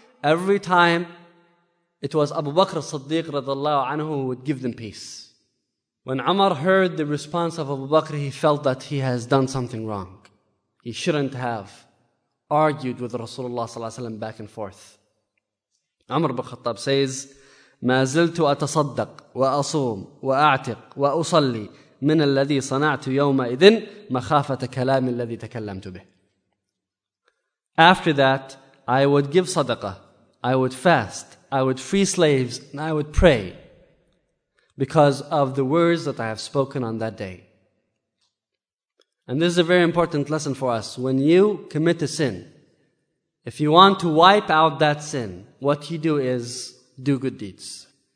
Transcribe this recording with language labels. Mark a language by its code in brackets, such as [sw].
[en] Every time, it was Abu Bakr as-Siddiq radiallahu anhu who would give them peace. When Umar heard the response of Abu Bakr, he felt that he has done something wrong. He shouldn't have argued with Rasulullah sallallahu alaihi wasallam back and forth. Umar ibn Khattab says, [ar] "ما زلت أتصدق وأصوم وأعتق وأصلي من الذي صنعت يومئذ مخافة كلام الذي تكلمت به." [en] After that, I would give sadaqah, I would fast, I would free slaves, and I would pray because of the words that I have spoken on that day. And this is a very important lesson for us. When you commit a sin, if you want to wipe out that sin, what you do is do good deeds.